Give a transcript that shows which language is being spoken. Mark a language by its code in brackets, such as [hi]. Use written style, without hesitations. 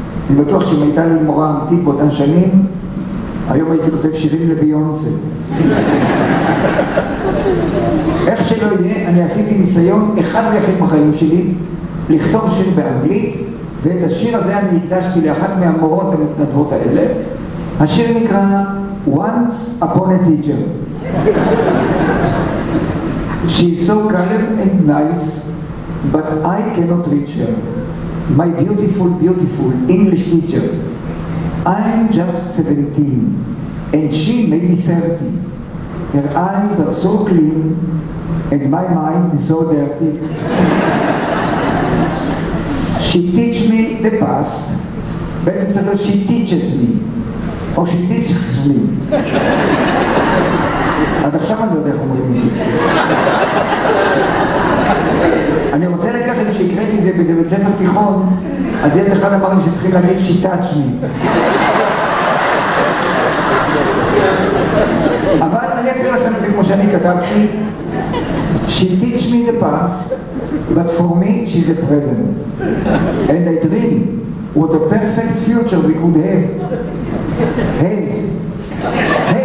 [he] אני בטוח שאם הייתה לי מורה אמיתית באותן שנים, היום הייתי כותב שירים לביונסה. איך שלא יהיה, אני עשיתי ניסיון אחד ויחיד בחיים שלי לכתוב שיר באנגלית, ואת השיר הזה אני הקדשתי לאחת מהמורות המתנדבות האלה. השיר נקרא Once Upon a Teacher. [en] She's so calm and nice, but I cannot reach her. My beautiful, beautiful English teacher. I'm just 17, and she may be 30. Her eyes are so clean, and my mind is so dirty. She teaches me the past. [he] בעצם צריך להיות, [en] she teaches me. [he] או [en] she teaches me. [he] עד עכשיו אני לא יודע איך אומרים את זה. אני רוצה לקחת שקראתי זה בזה בית ספר תיכון, אז ילד אחד אמר לי שצריכים להגיד שיטאץ' לי. אבל אני אקריא לכם את זה כמו שאני כתבתי. [en] She teach me the past, but for me she's the present. And I dream what a perfect future we could have. Has.